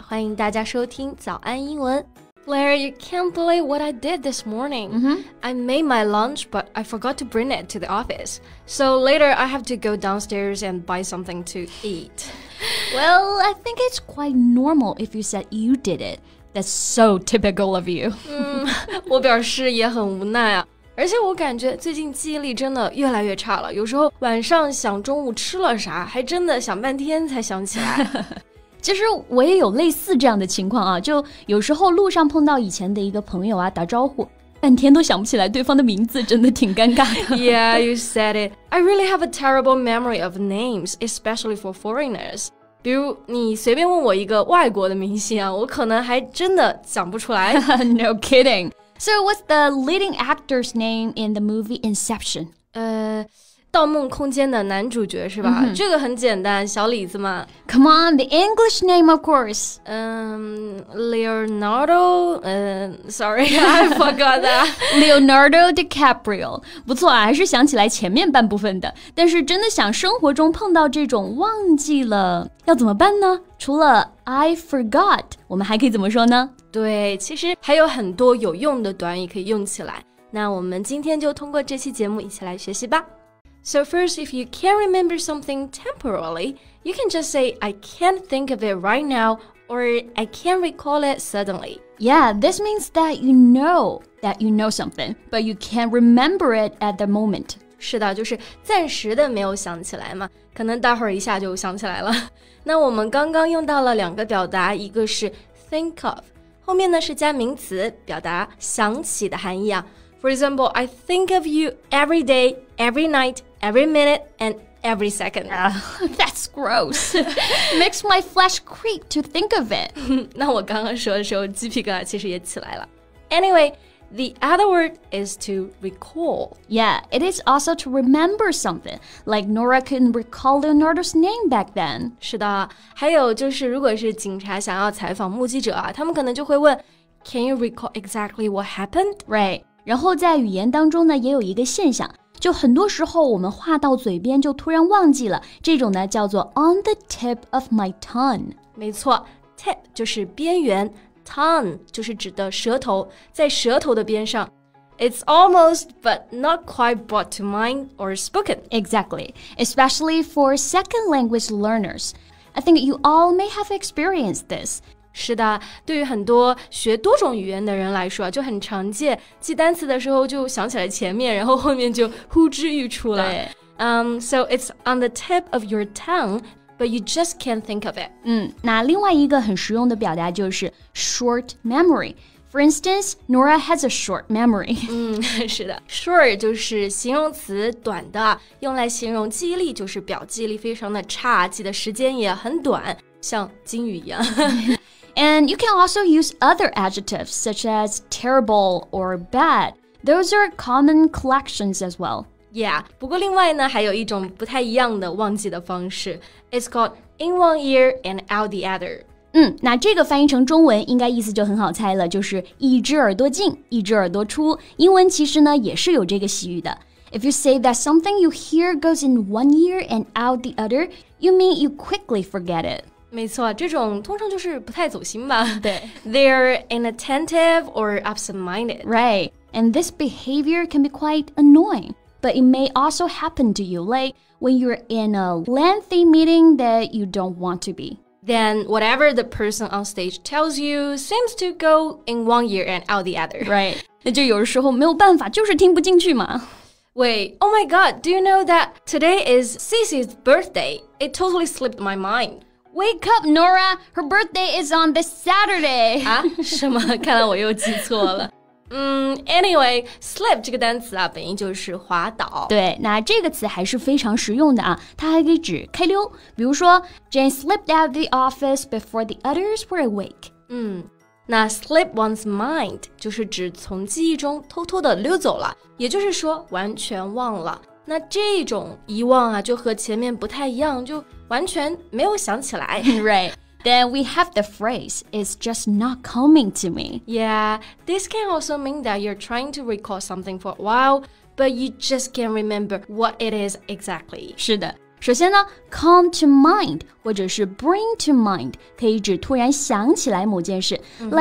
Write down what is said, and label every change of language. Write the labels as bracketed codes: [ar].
[zh] 欢迎大家收听早安英文。 [en] Blair, you can't believe what I did this morning. I made my lunch, but I forgot to bring it to the office. So later, I have to go downstairs and buy something to eat. Well, I think it's quite normal if you said you did it. That's so typical of you. [zh] 我表示也很无奈啊。而且我感觉最近记忆力真的越来越差了，有时候晚上想中午吃了啥，还真的想半天才想起来。其实我也有类似这样的情况啊，就有时候路上碰到以前的一个朋友啊，打招呼，半天都想不起来对方的名字，真的挺尴尬的。 [en] Yeah, you said it. I really have a terrible memory of names, especially for foreigners. [zh] 比如你随便问我一个外国的明星啊，我可能还真的想不出来。 [en] No kidding. So what's the leading actor's name in the movie Inception? [zh] 盗梦空间的男主角是吧、mm-hmm. 这个很简单小李子嘛。 [en] Come on, the English name of course. Leonardo, sorry, I forgot that. Leonardo DiCaprio. [zh] 不错啊还是想起来前面半部分的。但是真的想生活中碰到这种忘记了要怎么办呢除了 [en] I forgot, [zh] 我们还可以怎么说呢对其实还有很多有用的短语可以用起来。那我们今天就通过这期节目一起来学习吧。 [en] So first, if you can't remember something temporarily, you can just say, I can't think of it right now, or I can't recall it suddenly. Yeah, this means that you know something, but you can't remember it at the moment. [zh] 是的，就是暂时的没有想起来嘛，可能待会儿一下就想起来了。那我们刚刚用到了两个表达，一个是 think of, 后面呢是加名词，表达想起的含义啊。 [en] For example, I think of you every day, every night, every minute, and every second. That's gross. Makes my flesh creep to think of it. [zh] 那我刚刚说的时候鸡皮疙瘩其实也起来了。 [en] Anyway, the other word is to recall. Yeah, it is also to remember something. Like Nora couldn't recall Leonardo's name back then. [zh] 是的。还有就是如果是警察想要采访目击者啊他们可能就会问 [en] Can you recall exactly what happened? [zh] Right. 然后在语言当中呢也有一个现象就很多时候我们话到嘴边就突然忘记了这种呢叫做 [en] on the tip of my tongue [zh] 没错 tip 就是边缘 tongue 就是指的舌头在舌头的边上 [en] It's almost but not quite brought to mind or spoken Exactly, especially for second language learners I think you all may have experienced this [zh] 是的对于很多学多种语言的人来说就很常见记单词的时候就想起来前面然后后面就呼之欲出了。 [en] So it's on the tip of your tongue, but you just can't think of it. [zh] 那另外一个很实用的表达就是 short memory. [en] For instance, Nora has a short memory. [zh] 是的 short 就是形容词短的用来形容记忆力就是表记忆力非常的差记得时间也很短像金鱼一样。 [en] And you can also use other adjectives, such as terrible or bad. Those are common collections as well. [zh] Yeah, 不过另外呢还有一种不太一样的忘记的方式。 [en] It's called in one ear and out the other. [zh] 那这个翻译成中文应该意思就很好猜了就是一只耳朵进一只耳朵出。英文其实呢也是有这个习语的。 [en] If you say that something you hear goes in one ear and out the other, you mean you quickly forget it. [zh] 没错这种通常就是不太走心吧。对。 [en] They're inattentive or absent-minded. Right. And this behavior can be quite annoying. But it may also happen to you, like when you're in a lengthy meeting that you don't want to be. Then whatever the person on stage tells you seems to go in one ear and out the other. Right. [zh] 那就有时候没有办法就是听不进去嘛。 [en] Wait, oh my god, do you know that today is Cece's birthday? It totally slipped my mind. Wake up, Nora! Her birthday is on this Saturday! [zh] 啊？什么？看来我又记错了。anyway, slip 这个单词啊，本意就是滑倒。对，那这个词还是非常实用的啊，它还可以指开溜。比如说 [en] ,Jane slipped out of the office before the others were awake. [zh] 那 slip one's mind 就是指从记忆中偷偷的溜走了，也就是说完全忘了。那这种遗忘啊，就和前面不太一样，就完全没有想起来。 [en] Right. Then we have the phrase, it's just not coming to me. Yeah, this can also mean that you're trying to recall something for a while, but you just can't remember what it is exactly. [zh] 是的。首先呢 come to mind 或者是 bring to mind 可以指突然想起来某件事、mm-hmm.